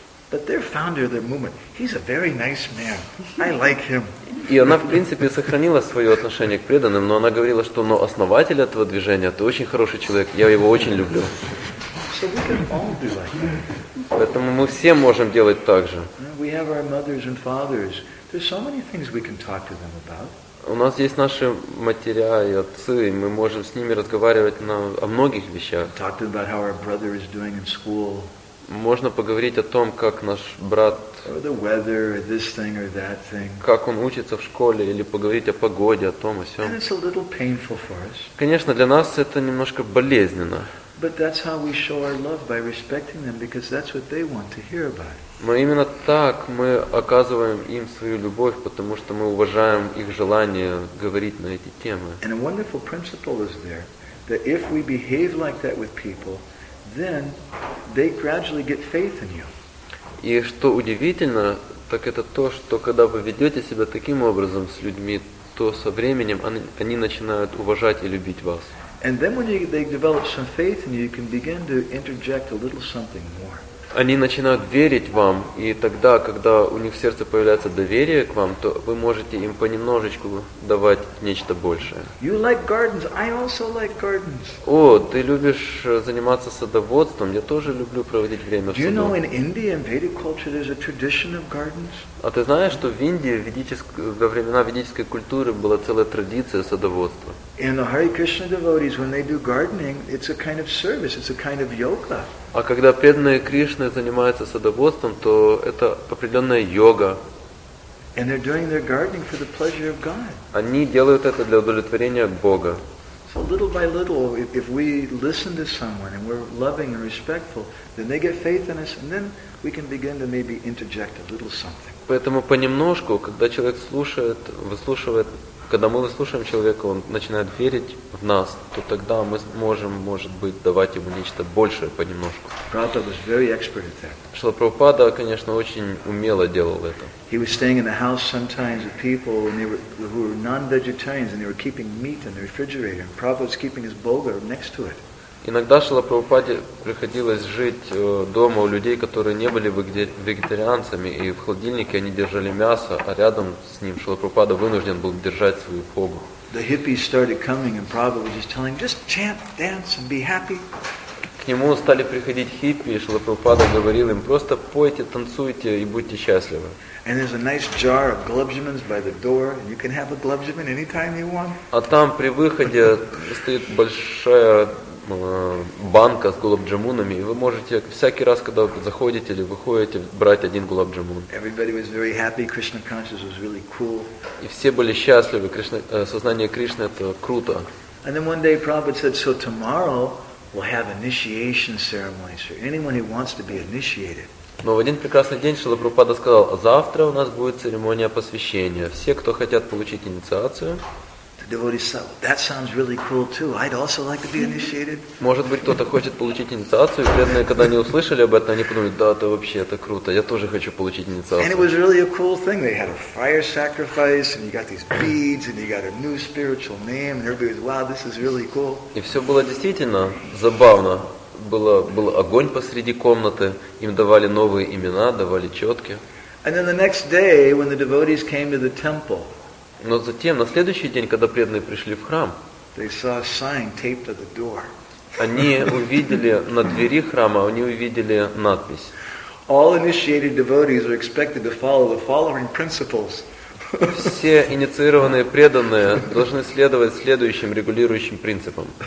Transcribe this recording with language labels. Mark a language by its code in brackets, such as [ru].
[en] But their founder, their movement, he's a very nice man. I like him. [ru] И она, в принципе, сохранила свое отношение к преданным, но она говорила, что но основатель этого движения, ты очень хороший человек, я его очень люблю. [en] So we can all do like that. [ru] Поэтому мы все можем делать так же. [en] We have our mothers and fathers. There's so many things we can talk to them about. [ru] У нас есть наши матеря и отцы, и мы можем с ними разговаривать на, о многих вещах. [en] Talk to them about how our brother is doing in school. [ru] Можно поговорить о том, как наш брат [en] or the weather, or this thing, or that thing. [ru] Как он учится в школе или поговорить о погоде, о том, о сём. [en] And it's a little painful for us. [ru] Конечно, для нас это немножко болезненно. [en] But that's how we show our love by respecting them, because that's what they want to hear about. [ru] Но именно так мы оказываем им свою любовь, потому что мы уважаем их желание говорить на эти темы. [en] And a wonderful principle is there, that if we behave like that with people, then they gradually get faith in you. [ru] И что удивительно, так это то, что когда вы ведете себя таким образом с людьми, то со временем они начинают уважать и любить вас. [en] And then when they develop some faith in you, you can begin to interject a little something more. [ru] Они начинают верить вам, и тогда, когда у них в сердце появляется доверие к вам, то вы можете им понемножечку давать нечто большее. [en] You like gardens, I also like gardens. [ru] О, ты любишь заниматься садоводством, я тоже люблю проводить время в саду. [en] Do you know in India, in Vedic culture, there's a tradition of gardens? [ru] А ты знаешь, что в Индии во времена ведической культуры была целая традиция садоводства? [en] And the Hare Krishna devotees, when they do gardening, it's a kind of service, it's a kind of yoga. [ru] А когда преданные Кришны занимаются садоводством, то это определенная йога. [en] And they're doing their gardening for the pleasure of God. [ru] Они делают это для удовлетворения Бога. [en] So little by little, if we listen to someone and we're loving and respectful, then they get faith in us, and then we can begin to maybe interject a little something. [ru] Поэтому понемножку, когда человек слушает, выслушивает, когда мы выслушаем человека, он начинает верить в нас, то тогда мы можем, может быть, давать ему нечто большее понемножку. Шрила Прабхупада, конечно, очень умело делал это. [en] He was staying in the house sometimes with people who were non-vegetarians, and they were keeping meat in the refrigerator, and Prabhupada was keeping his bhoga next to it. [ru] Иногда Шрила Прабхупаде приходилось жить дома у людей, которые не были вегетарианцами, и в холодильнике они держали мясо, а рядом с ним Шрила Прабхупада вынужден был держать свою богу. [en] The hippies started coming, and Prabhupada was just telling, just chant, dance, and be happy. [ru] К нему стали приходить хиппи, и Шрила Прабхупада говорил им, просто пойте, танцуйте и будьте счастливы. [en] And there's a nice jar of glubjimans by the door, and you can have a glubjiman anytime you want. [ru] А там при выходе стоит большая банка с гулаб-джамунами, и вы можете всякий раз, когда вы заходите или выходите, брать один гулаб-джамун. [en] Everybody was very happy. Krishna consciousness was really cool. [ru] И все были счастливы. Кришна, сознание Кришны это круто. And then one day Prabhupada said, so tomorrow we'll have initiation ceremonies for anyone who wants to be initiated. Но в один прекрасный день Шрила Прабхупада сказал, завтра у нас будет церемония посвящения. Все, кто хотят получить инициацию. [en] That sounds really cool too. I'd also like to be initiated. [ru] Может быть, кто-то хочет получить инициацию, и преданные, когда они услышали об этом, они подумали, да, это вообще, это круто, я тоже хочу получить инициацию. [en] And it was really a cool thing. They had a fire sacrifice, and you got these beads, and you got a new spiritual name, and everybody was, wow, this is really cool. [ru] И все было действительно забавно. Был огонь посреди комнаты, им давали новые имена, давали четки. [en] And then the next day, when the devotees came to the temple, [ru] но затем, на следующий день, когда преданные пришли в храм, они увидели на двери храма, они увидели надпись. Все инициированные преданные должны следовать следующим регулирующим принципам.